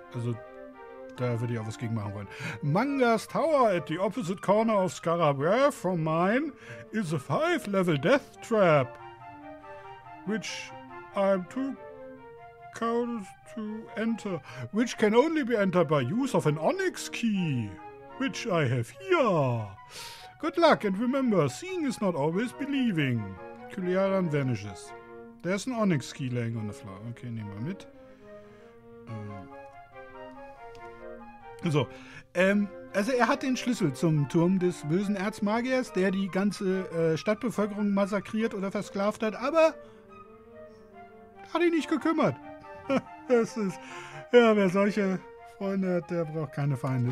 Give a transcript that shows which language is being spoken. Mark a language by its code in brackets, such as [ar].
[de] Also, da würde ich auch was gegen machen wollen. [en] Manga's Tower at the opposite corner of Scarabrea from mine is a 5-level death trap, which I'm too cowardly to enter, which can only be entered by use of an onyx key, which I have here. Good luck, and remember, seeing is not always believing. Kyliaran vanishes. There's an onyx key laying on the floor. [de] Okay, nehmen wir mit. So, also er hat den Schlüssel zum Turm des bösen Erzmagiers, der die ganze Stadtbevölkerung massakriert oder versklavt hat, aber hat ihn nicht gekümmert. Das ist, ja, wer solche Freunde hat, der braucht keine Feinde.